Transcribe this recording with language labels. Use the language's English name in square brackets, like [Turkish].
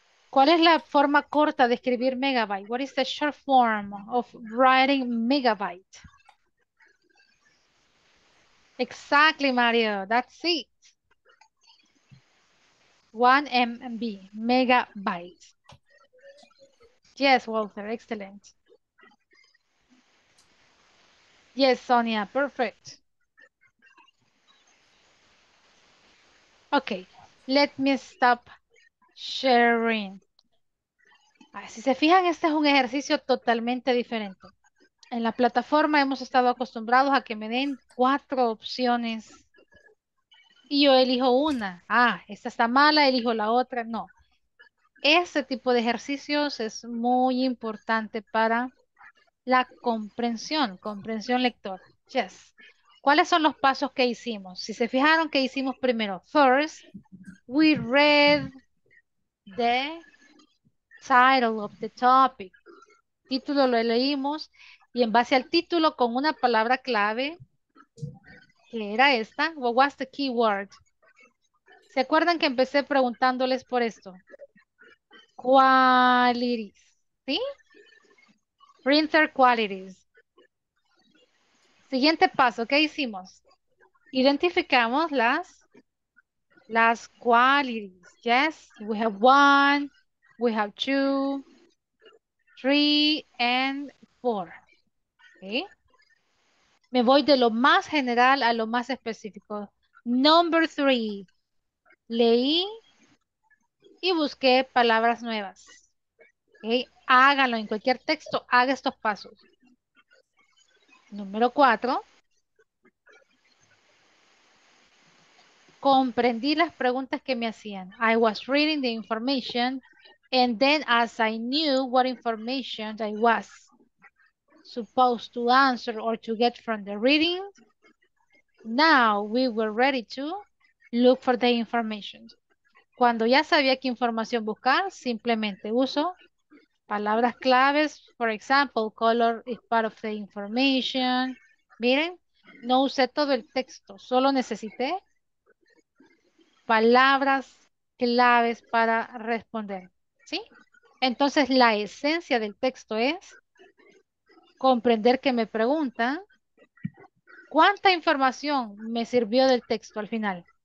[Spanish] ¿Cuál es la forma corta de escribir megabyte? [English] What is the short form of writing megabyte? Exactly, Mario, that's it. 1 MB, megabyte. Yes, Walter, excellent. Yes, Sonia, perfect. Okay, let me stop sharing. [Spanish] Ah, si se fijan, este es un ejercicio totalmente diferente. En la plataforma hemos estado acostumbrados a que me den cuatro opciones y yo elijo una. Ah, esta está mala, elijo la otra. No. Ese tipo de ejercicios es muy importante para la comprensión, comprensión lectora. Yes. ¿Cuáles son los pasos que hicimos? Si se fijaron, ¿qué hicimos primero? [English] First, we read the title of the topic. [Spanish] Título lo leímos y en base al título con una palabra clave, que era esta, [English] what was the keyword? [Spanish] ¿Se acuerdan que empecé preguntándoles por esto? Qualities, ¿sí? Printer qualities. Siguiente paso, ¿qué hicimos? Identificamos las Las qualities. [English] Yes, we have one, we have two, three, and four. Okay. [Spanish] Me voy de lo más general a lo más específico. [English] Number three. [Spanish] Leí y busqué palabras nuevas. Okay. Hágalo en cualquier texto, haga estos pasos. Número cuatro. Comprendí las preguntas que me hacían. [English] I was reading the information and then as I knew what information I was supposed to answer or to get from the reading, now we were ready to look for the information. [Spanish] Cuando ya sabía qué información buscar, simplemente uso palabras claves. [English] For example, color is part of the information. [Spanish] Miren, no usé todo el texto, solo necesité palabras claves para responder, ¿sí? Entonces, la esencia del texto es comprender que me preguntan ¿cuánta información me sirvió del texto al final?